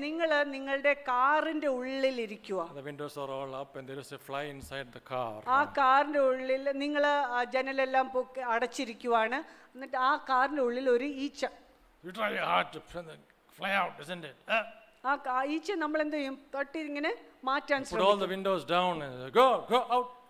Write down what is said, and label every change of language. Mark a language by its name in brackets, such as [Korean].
[Malayalam] നിങ്ങള് നിങ്ങളുടെ കാറിന്റെ ഉള്ളിൽ ഇരിക്കുക. [English] The windows are all up and there is a fly inside the car. [Malayalam] ആ കാറിന്റെ ഉള്ളിൽ നിങ്ങള് ജനലെല്ലാം അടച്ചിരിക്കുവാണ്. എന്നിട്ട് ആ കാറിന്റെ ഉള്ളിൽ ഒരു ഈച്ച. [English] You try hard to pull the fly out, isn't it? [Malayalam] ആ ഈച്ച നമ്മൾ എന്ത് ചെയ്യും? തട്ടി ഇങ്ങനെ മാറ്റാൻ ശ്രമിക്കും. [English] Put all the windows down and go out.